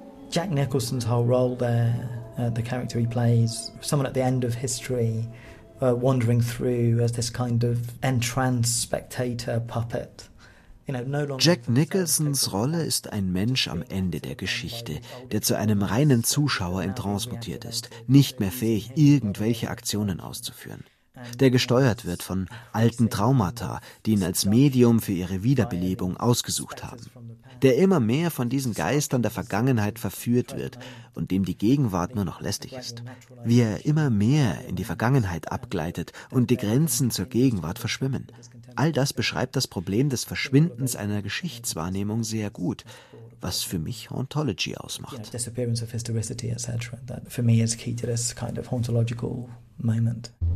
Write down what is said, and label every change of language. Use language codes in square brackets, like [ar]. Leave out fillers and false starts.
[en] Jack Nicholson's whole role there, the character he plays, someone at the end of history, wandering through as this kind of entranced spectator puppet. [de] Jack Nicholsons Rolle ist ein Mensch am Ende der Geschichte, der zu einem reinen Zuschauer transmutiert ist, nicht mehr fähig, irgendwelche Aktionen auszuführen. Der gesteuert wird von alten Traumata, die ihn als Medium für ihre Wiederbelebung ausgesucht haben. Der immer mehr von diesen Geistern der Vergangenheit verführt wird und dem die Gegenwart nur noch lästig ist. Wie er immer mehr in die Vergangenheit abgleitet und die Grenzen zur Gegenwart verschwimmen. All das beschreibt das Problem des Verschwindens einer Geschichtswahrnehmung sehr gut, was für mich Ontology ausmacht. [en] Disappearance of historicity, etc. That for me is key to this kind of ontological moment.